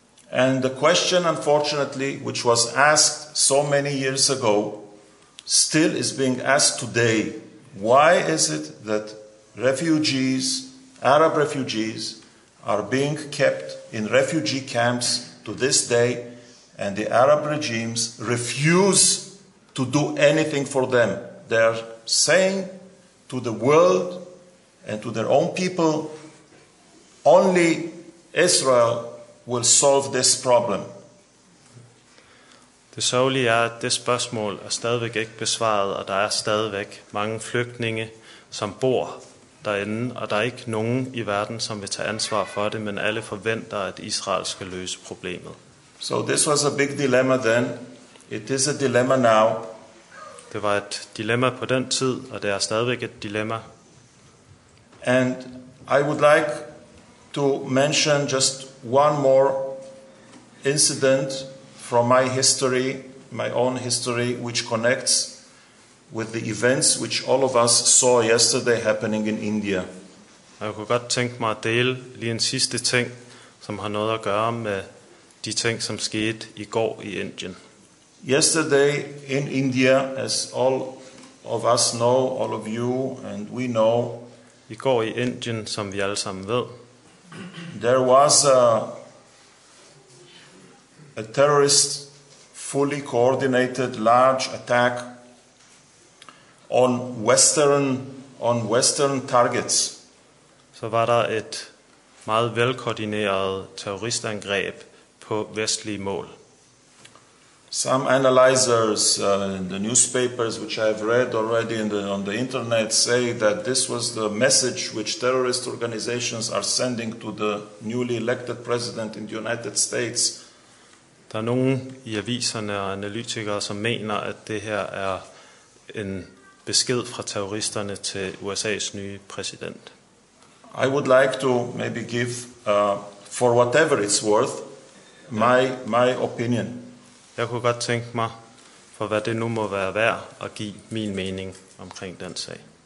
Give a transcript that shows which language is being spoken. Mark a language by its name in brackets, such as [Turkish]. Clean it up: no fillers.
[English] And the question, unfortunately, which was asked so many years ago, still is being asked today. Why is it that refugees, Arab refugees, are being kept in refugee camps to this day, and the Arab regimes refuse to do anything for them? They are saying to the world and to their own people, only Israel will solve this problem. [Danish] Det sørgelige er, at det spørgsmål er stadigvæk ikke besvaret, og der er stadigvæk mange flygtninge, som bor derinde, og der er ikke nogen i verden, som vil tage ansvar for det, men alle forventer, at Israel skal løse problemet. [English] So this was a big dilemma then. It is a dilemma now. [Danish] Det var et dilemma på den tid, og det er stadigvæk et dilemma. [English] And I would like to mention just one more incident from my history, my own history, which connects with the events which all of us saw yesterday happening in India. [Danish] Jeg kunne godt tænke mig at dele lige en sidste ting, som har noget at gøre med de ting, som skete i går i Indien. [English] Yesterday in India, as all of us know, all of you and we know, [Danish] i går i Indien, som vi alle sammen ved, [English] there was a terrorist fully coordinated large attack on western targets. [Danish] Så var der et meget velkoordineret terroristangreb på vestlige mål. [English] Some analyzers in the newspapers which I have read already on the internet say that this was the message which terrorist organizations are sending to the newly elected president in the United States. [Danish] Der er nogen i aviserne og analytikere, som mener, at det her er en besked fra terroristerne til USA's nye præsident. [English] I would like to maybe give for whatever it's worth my opinion. [Danish] Jeg kunne godt tænke mig, for hvad det nu må være værd, at give min mening omkring den sag.